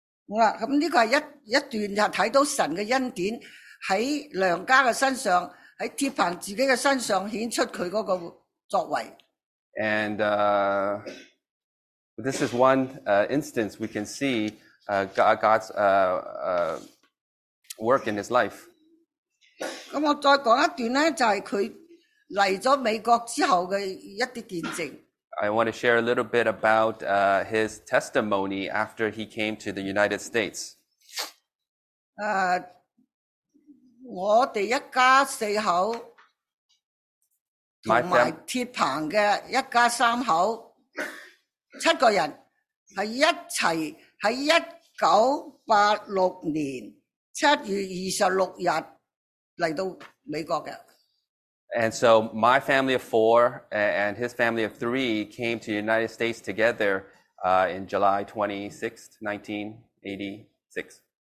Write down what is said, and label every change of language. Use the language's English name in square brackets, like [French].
[Cantonese] 哇！咁呢个系一段就睇到神嘅恩典喺梁家嘅身上，喺铁棚自己嘅身上显出佢嗰个作为。 [English] And this is one instance we can see God's work in his life. [Cantonese] 咁我再讲一段咧，就系佢。来咗美国之后嘅一啲见证。 [English] I want to share a little bit about his testimony after he came to the United States. [Cantonese] 我哋一家四口，同埋铁棚嘅一家三口，七个人系一齐喺1986年7月26日嚟到美国嘅。 [English] And so my family of four and his family of three came to the United States together in July 26, 1986.